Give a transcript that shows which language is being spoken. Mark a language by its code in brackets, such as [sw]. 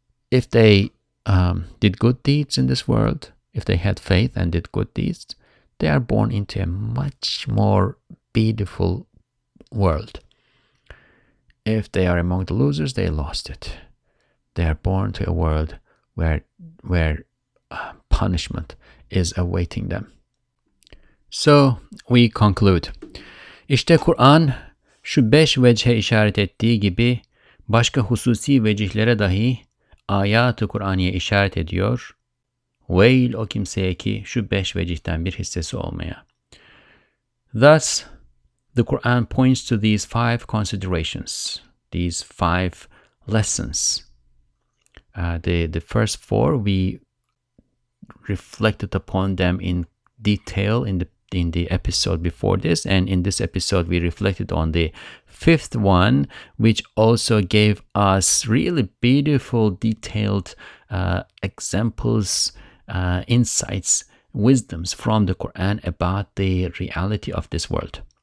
[en] If they did good deeds in this world, if they had faith and did good deeds, they are born into a much more beautiful world. If they are among the losers, they lost it. They are born to a world where punishment is awaiting them. So we conclude. [tr] İşte Kur'an şu beş vecihe işaret ettiği gibi başka hususi vecihlere dahi ayat-ı Kur'an'ya işaret ediyor. Veil o kimseye ki şu beş vecihten bir hissesi olmaya. [en] Thus, the Quran points to these five considerations, these five lessons. The first four, we reflected upon them in detail in the episode before this, and in this episode we reflected on the fifth one, which also gave us really beautiful, detailed examples, insights, wisdoms from the Quran about the reality of this world.